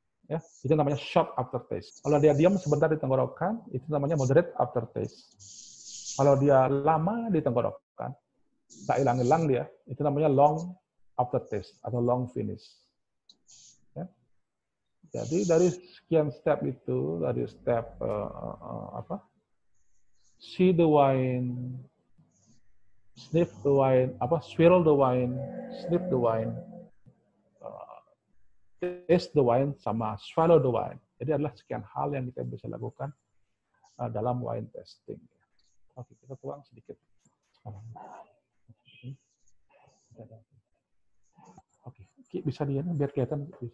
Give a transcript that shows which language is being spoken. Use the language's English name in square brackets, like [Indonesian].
[Indonesian] Ya, itu namanya short aftertaste. Kalau dia diam sebentar di tenggorokan, itu namanya moderate aftertaste. Kalau dia lama di tenggorokan, tak hilang-hilang dia, itu namanya long aftertaste atau long finish. Ya. Jadi dari sekian step itu, dari step apa? [English] See the wine, sniff the wine, apa, swirl the wine, sniff the wine, taste the wine sama swallow the wine. [Indonesian] Jadi adalah sekian hal yang kita bisa lakukan dalam wine tasting. Oke, kita tuang sedikit. Oke, bisa nih ya, biar kelihatan.